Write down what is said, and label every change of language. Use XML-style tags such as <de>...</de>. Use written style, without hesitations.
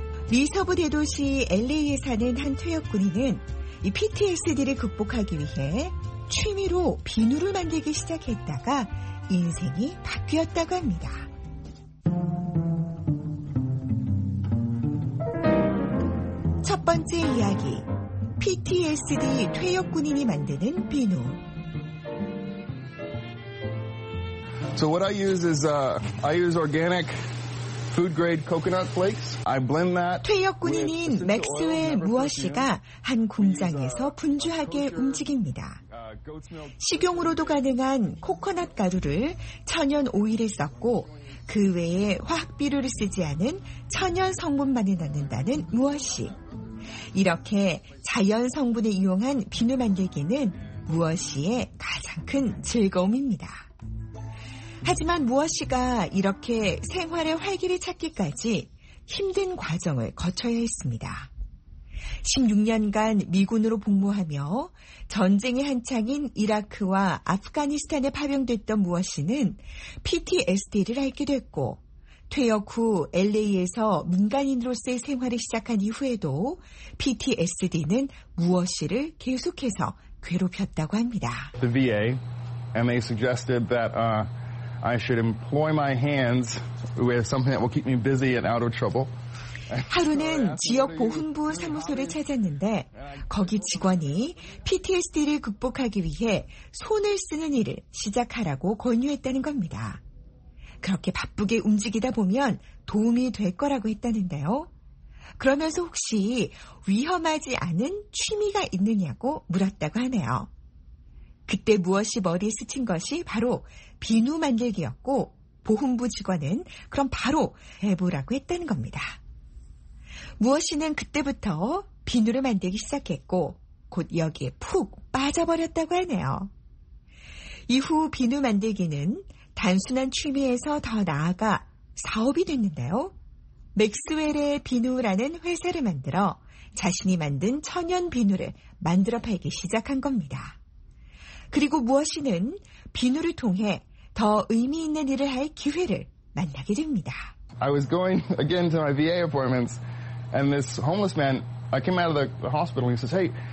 <ko>미 서부 대도시 LA에 사는 한 퇴역 군인은 이 PTSD를 극복하기 위해 취미로 비누를 만들기 시작했다가 인생이 바뀌었다고 합니다. 첫 번째 이야기, PTSD 퇴역 군인이 만드는 비누.</ko> <en>So what I use is I use organic food grade coconut flakes. I blend that.</en> <ko>퇴역 군인인 맥스웰 무어시가 한 공장에서 분주하게 움직입니다. 식용으로도 가능한 코코넛 가루를 천연 오일에 섞고 그 외에 화학 비료를 쓰지 않은 천연 성분만을 넣는다는 무어시. 이렇게 자연 성분을 이용한 비누 만들기는 무엇이의 가장 큰 즐거움입니다. 하지만 무엇이가 이렇게 생활의 활기를 찾기까지 힘든 과정을 거쳐야 했습니다. 16년간 미군으로 복무하며 전쟁의 한창인 이라크와 아프가니스탄에 파병됐던 무어 씨는 PTSD를 앓게 됐고 퇴역 후 LA에서 민간인으로서의 생활을 시작한 이후에도 PTSD는 무어 씨를 계속해서 괴롭혔다고 합니다.</ko> <en>The VA, and they suggested that I should employ my hands with something that will keep me busy and out of trouble.</en> <ko>하루는 지역 보훈부 사무소를 찾았는데 거기 직원이 PTSD를 극복하기 위해 손을 쓰는 일을 시작하라고 권유했다는 겁니다. 그렇게 바쁘게 움직이다 보면 도움이 될 거라고 했다는데요. 그러면서 혹시 위험하지 않은 취미가 있느냐고 물었다고 하네요. 그때 무엇이 머리에 스친 것이 바로 비누 만들기였고 보훈부 직원은 그럼 바로 해보라고 했다는 겁니다. 무엇이는 그때부터 비누를 만들기 시작했고 곧 여기에 푹 빠져버렸다고 하네요. 이후 비누 만들기는 단순한 취미에서 더 나아가 사업이 됐는데요. 맥스웰의 비누라는 회사를 만들어 자신이 만든 천연 비누를 만들어 팔기 시작한 겁니다. 그리고 무엇이는 비누를 통해 더 의미 있는 일을 할 기회를 만나게 됩니다.</ko> <en>I was going again to my VA appointments and this homeless man, I came out of the hospital and he says, hey,</en>